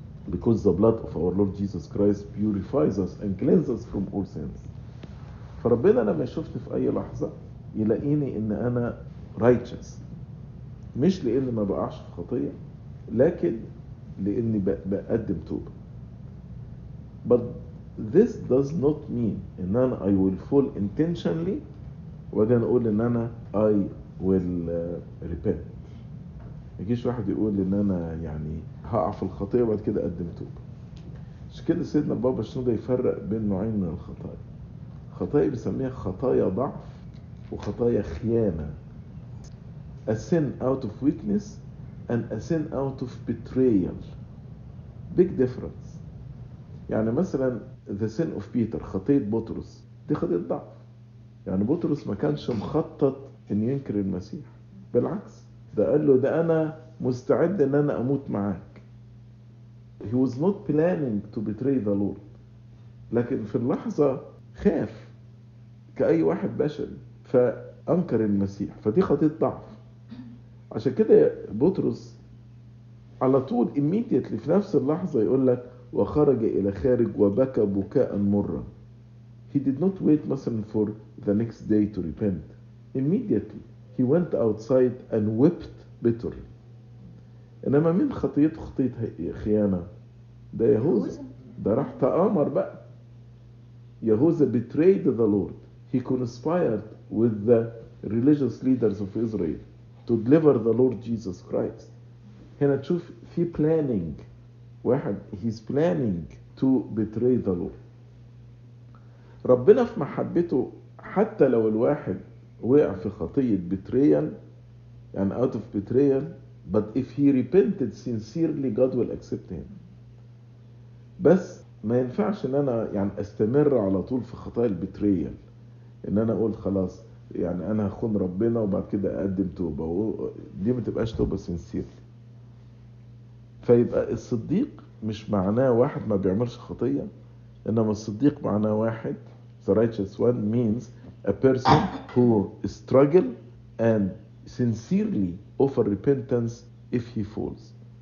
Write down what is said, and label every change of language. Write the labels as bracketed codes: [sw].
[en] Because the blood of our Lord Jesus Christ purifies us and cleanses us from all sins. [ar] فربنا لما يشوفني في أي لحظة يلاقيني إن أنا righteous، مش لإني ما بقعش في خطية، لكن لإني بقدم توبة. [en] But this does not mean [ar] إن أنا [en] I will fall intentionally [ar] وبعدين أقول إن أنا [en] I will repent. [ar] يجيش واحد يقول إن أنا يعني هقع في الخطية وبعد كده أقدم توبة. مش كده سيدنا بابا الشنودة يفرق بين نوعين من الخطايا. خطايا بيسميها خطايا ضعف وخطايا خيانة. [en] A sin out of weakness and a sin out of betrayal. Big difference. [ar] يعني مثلا [en] the sin of Peter، [ar] خطية بطرس، دي خطية ضعف. يعني بطرس ما كانش مخطط إن ينكر المسيح، بالعكس ده قال له ده أنا مستعد إن أنا أموت معاك. [en] He was not planning to betray the Lord. [ar] لكن في اللحظة خاف كأي واحد بشري فأنكر المسيح، فدي خطية ضعف. عشان كده بطرس على طول immediately في نفس اللحظة يقول لك وخرج إلى خارج وبكى بكاء مرا. [en] He did not wait مثلا for the next day to repent. Immediately he went outside and wept bitterly. [ar] إنما من خطيته خطية خيانة، ده يهوذا، ده راح تآمر بقى. [en] يهوذا betrayed the Lord. He conspired with the religious leaders of Israel to deliver the Lord Jesus Christ. [ar] هنا تشوف في [en] planning، [ar] واحد [en] he's planning to betray the Lord. [ar] ربنا في محبته حتى لو الواحد وقع في خطية [en] betrayal يعني out of betrayal، but if he repented sincerely God will accept him. [ar] بس ما ينفعش ان انا يعني استمر على طول في خطايا البتريال، ان انا اقول خلاص يعني انا هخون ربنا وبعد كده اقدم توبة، دي ما تبقاش توبة sincerely. فيبقى الصديق مش معناه واحد [en] ما بيعملش خطية، انما الصديق معناه واحد the righteous one means a person who struggle and sincerely offer repentance if he falls.